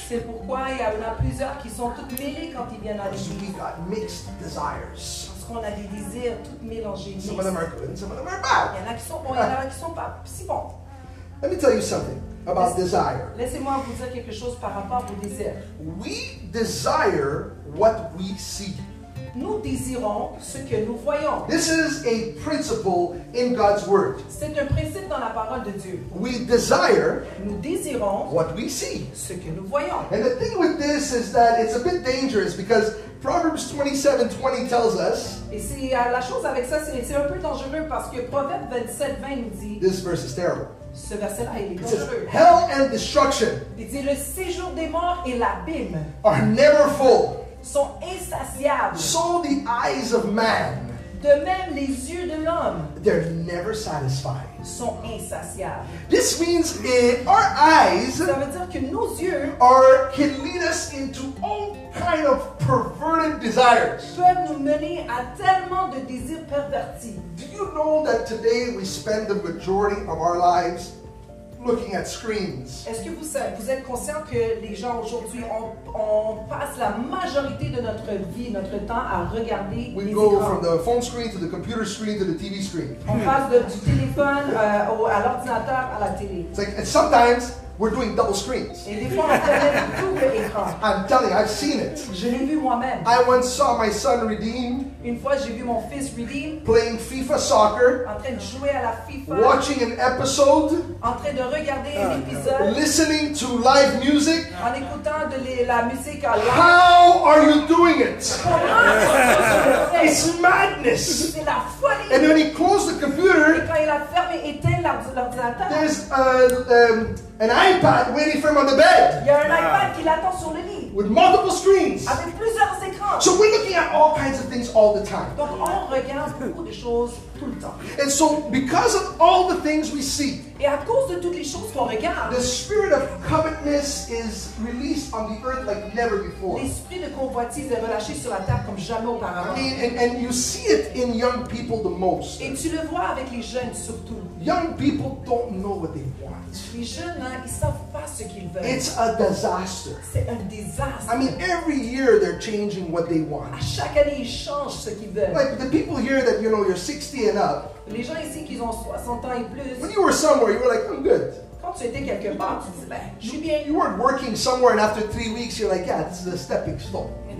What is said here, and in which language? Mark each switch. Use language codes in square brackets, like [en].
[fr] C'est pourquoi il y en a plusieurs qui sont toutes mêlées quand ils viennent à l'église. [en] Because we got mixed desires. [fr] Parce qu'on a des désirs toutes mélangées. [en] Some of them are good and some of them are bad. [fr] Il y en a qui sont bons, il y en a qui sont pas si bons. [en] Let me tell you something about desire. [fr] Laissez-moi vous dire quelque chose par rapport aux désirs. [en] We desire what we see. [fr] Nous désirons ce que nous voyons. [en] This is a principle in God's word. [fr] C'est un principe dans la parole de Dieu. [en] We desire. [fr] Nous désirons [en] what we see. [fr] Ce que nous voyons. [en] And the thing with this is that it's a bit dangerous because Proverbs 27:20 tells us. [fr] Et c'est la chose avec ça, c'est un peu dangereux parce que Proverbes 27:20 nous dit. [en] This verse is terrible. [fr] Ce verset-là, il est dangereux. [en] It says, hell and destruction. [fr] Il dit le séjour des morts et l'abîme. [en] Are never full. [fr] Sont insatiables. [en] So the eyes of man. [fr] De même les yeux de l'homme. [en] They're never satisfied. [fr] Sont insatiables. [en] This means our eyes. [fr] Ça veut dire que nos yeux. [en] Are can lead us into all kind of perverted desires. [fr] Peuvent nous mener à tellement de désirs pervertis. [en] Do you know that today we spend the majority of our lives looking at screens? [fr] Est-ce que vous êtes conscient que les gens aujourd'hui on passe la majorité de notre vie, notre temps à regarder [en] we [fr] les [en] go [fr] écrans. [en] From the phone screen to the computer screen to the TV screen. [fr] On passe du téléphone à l'ordinateur à la télé. [en] It's like, and sometimes we're doing double screens. [fr] Et des fois on fait double écran. [en] I'm telling you, I've seen it. [fr] Je l'ai vu moi-même. [en] I once saw my son redeemed. [fr] Une fois j'ai vu mon fils redeemed. [en] Playing FIFA soccer. [fr] En train de jouer à la FIFA. [en] Watching an episode. [fr] En train de regarder un épisode. [en] Listening to live music. [fr] En écoutant de la musique à live. [en] How are you doing it? [fr] Comment? [en] It's madness. [fr] C'est la folie. [en] And when he closed the computer. [fr] Et quand il a fermé et éteint l'ordinateur. [en] There's an iPad waiting for him on the bed. [fr] Il y a un iPad qui l'attend sur le lit. [en] With multiple screens. [fr] Avec plusieurs écrans. [en] So we're looking at all kinds of things all the time. [fr] Donc on regarde beaucoup de choses tout le temps. [en] And so because of all the things we see. [fr] Et à cause de toutes les choses qu'on regarde. [en] The spirit of covetousness is released on the earth like never before. [fr] L'esprit de convoitise est relâché sur la terre comme jamais auparavant. [en] And you see it in young people the most. [fr] Et tu le vois avec les jeunes surtout. [en] Young people don't know what they want. [fr] Les jeunes, hein, ils savent pas ce qu'ils veulent. [en] It's a disaster. [fr] C'est un désastre. [en] I mean, every year they're changing what they want. [fr] À chaque année, ils changent ce qu'ils veulent. [en] Like the people here that, you know, you're 60 and up. [fr] Les gens ici qui ont 60 ans et plus. [en] When you were somewhere, you were like, I'm good. [fr] Quand tu étais quelque part, tu disais, ben, je suis bien. [en] You weren't working somewhere and after 3 weeks, you're like, yeah, this is a stepping stone.